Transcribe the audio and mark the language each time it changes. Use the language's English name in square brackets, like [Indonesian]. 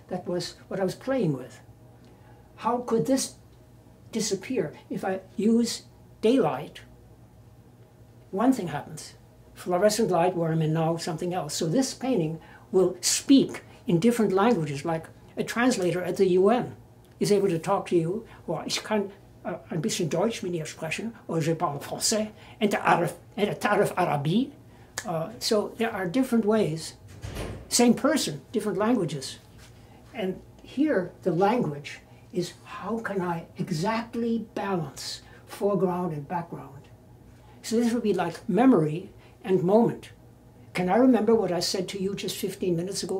[English] That was what I was playing with. How could this disappear? If I use daylight, one thing happens. Fluorescent light, where I'm in now, something else. So this painting will speak in different languages, like a translator at the UN is able to talk to you. [German] Well, ich kann ein bisschen Deutsch mit dir sprechen, oder [French] je parle français, et tarif Arabie. [English] So there are different ways. Same person, different languages. And here, the language is how can I exactly balance foreground and background? So this would be like memory and moment. Can I remember what I said to you just 15 minutes ago?